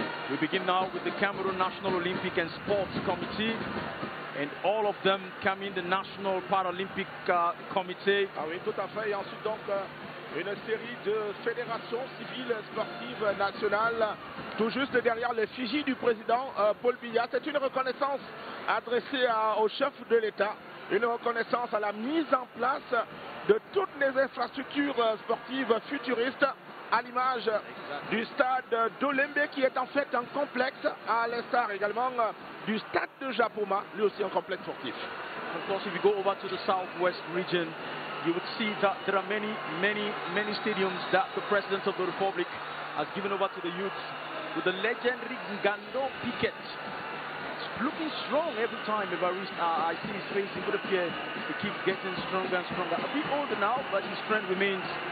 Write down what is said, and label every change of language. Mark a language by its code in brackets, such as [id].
[en] We begin now with the Cameroon National Olympic and Sports Committee, and all of them come in the National Paralympic Committee. [fr] Ah oui, tout à fait. Et ensuite donc une série de fédérations civiles sportives nationales, tout juste derrière l'effigie du président Paul Biya. C'est une reconnaissance adressée au chef de l'État, une reconnaissance à la mise en place de toutes les infrastructures sportives futuristes, à l'image du stade d'Olembe qui est en fait un complexe, à l'instar également du stade de Japoma, lui aussi un complexe sportif. [en] Of course, if you go over to the southwest region, you would see that there are many, many, many stadiums that the President of the Republic has given over to the youth, with the legendary Ngando Piquet. It's looking strong every time Evariste, I see his face, he would appear, he keeps getting stronger and stronger. A bit older now, but his strength remains.